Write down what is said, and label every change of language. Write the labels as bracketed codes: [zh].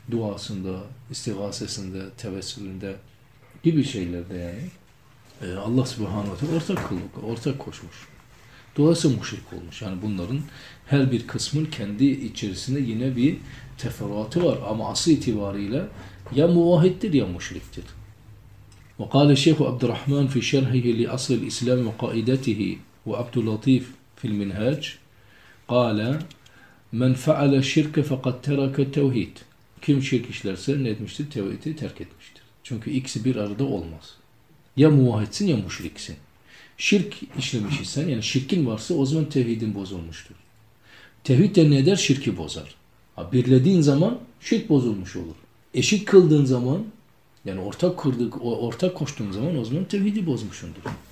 [tr] Duasında, istigasesinde, tevessülünde gibi şeylerde yani. Allah subhanahu ve teala ortak kulluk, ortak koşmuş. Dolayısıyla müşrik olmuş. Yani bunların her bir kısmın kendi içerisinde yine bir teferruatı var. Ama asıl itibarıyla ya muvahhiddir ya müşriktir. [ar] وقال الشيخ عبد الرحمن في شرحه لأصل الإسلام وقائدته وعبد اللطيف في المنهاج قال من فعل شرك فقد ترك التوحيد. [tr] Kim şirk işlerse ne etmiştir? Tevhidi terk etmiştir. Çünkü ikisi bir arada olmaz. Ya muvahhidsin ya müşriksin. Şirk işlemiş isen, yani şirkin varsa o zaman tevhidin bozulmuştur. Tevhid de ne eder? Şirki bozar. Ha, birlediğin zaman şirk bozulmuş olur. Eşit kıldığın zaman, yani ortak kurduk, ortak koştuğun zaman o zaman tevhidi bozmuşundur.